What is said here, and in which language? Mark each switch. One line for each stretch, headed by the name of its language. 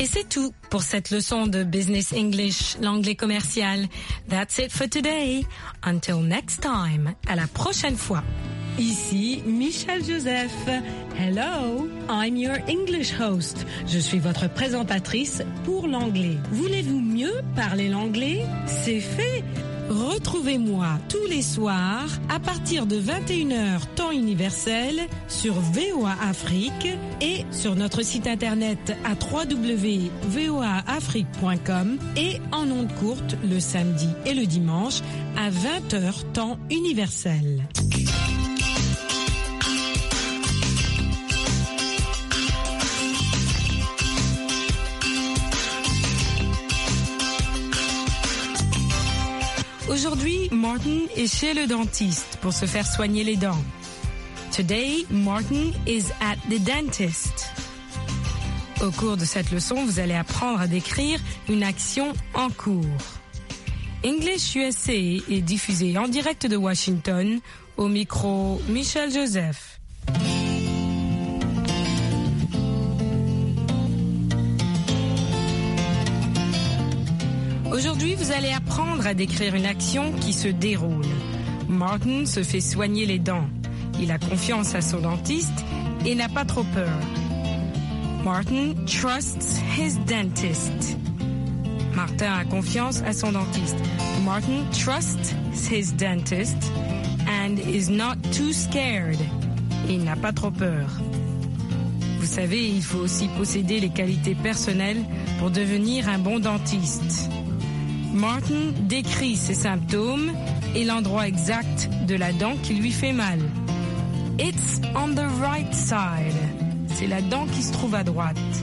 French: Tout pour cette leçon de Business English, l'anglais commercial.
English: That's it for today. Until next time,
French: à la prochaine fois. Ici Michel Joseph.
English: Hello, I'm your English host.
French: Je suis votre présentatrice pour l'anglais. Voulez-vous mieux parler l'anglais? C'est fait. Retrouvez-moi tous les soirs à partir de 21h temps universel sur VOA Afrique et sur notre site internet à www.voaafrique.com et en ondes courtes le samedi et le dimanche à 20h temps universel. Aujourd'hui, Martin est chez le dentiste pour se faire soigner les dents.
English: Today, Martin is at the dentist.
French: Au cours de cette leçon, vous allez apprendre à décrire une action en cours. English USA est diffusé en direct de Washington au micro Michel Joseph. Aujourd'hui, vous allez apprendre à décrire une action qui se déroule. Martin se fait soigner les dents. Il a confiance à son dentiste et n'a pas trop peur.
English: Martin trusts his dentist.
French: Martin a confiance à son dentiste.
English: Martin trusts his dentist and is not too scared.
French: Il n'a pas trop peur. Vous savez, il faut aussi posséder les qualités personnelles pour devenir un bon dentiste. Martin décrit ses symptômes et l'endroit exact de la dent qui lui fait mal.
English: It's on the right side.
French: C'est la dent qui se trouve à droite.